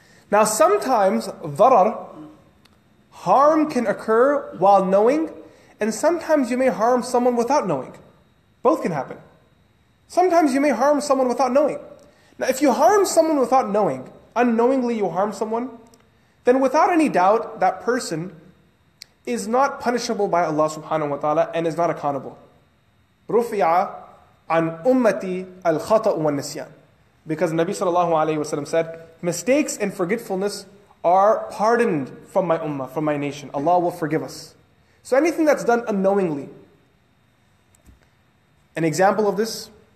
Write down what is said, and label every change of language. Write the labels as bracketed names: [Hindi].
[English] Now sometimes, darar, harm can occur while knowing, and sometimes you may harm someone without knowing. Both can happen. Sometimes you may harm someone without knowing. Now if you harm someone without knowing, unknowingly you harm someone, then without any doubt, that person is not punishable by Allah subhanahu wa ta'ala and is not accountable. [Arabic] رُفِعَ عَنْ أُمَّتِي الْخَطَأُ وَالنِّسْيَانِ. [English] Because Nabi sallallahu alayhi wa sallam said, mistakes and forgetfulness are pardoned from my ummah, from my nation. Allah will forgive us. So anything that's done unknowingly. An example of this.